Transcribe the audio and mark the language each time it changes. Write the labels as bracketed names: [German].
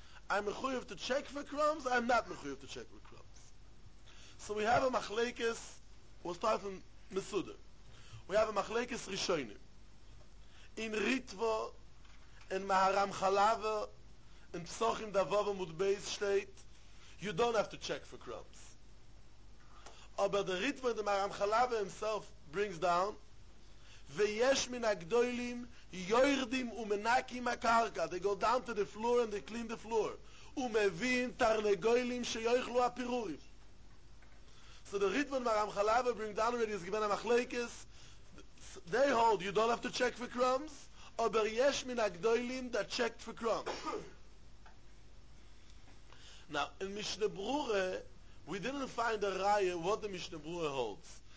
[English] I'm mechuyev to check for crumbs, I'm not mechuyev to check for crumbs. So we have a machlekes, we'll start from Mesuda. We have a machlekes Rishonim. In Ritvo, in Maharam Chalava, in Psochim Davov Amud Beis state, you don't have to check for crumbs. aber der Ritva, der Maram Chalava himself brings down, [Hebrew] ויש מן הגדולים יורדים ומנקים הקרקע. [English] They go down to the floor and they clean the floor. [Hebrew] ומבין תרנגולים שיוכלו הפירורים. [English] So the Ritva and Maram Chalava bring down already, he's given a machlekes. They hold, you don't have to check for crumbs, aber [Hebrew] יש מן הגדולים [English] that checked for crumbs. Now, in Mishneh Brura, we didn't find a raya what the Mishneh Brura holds.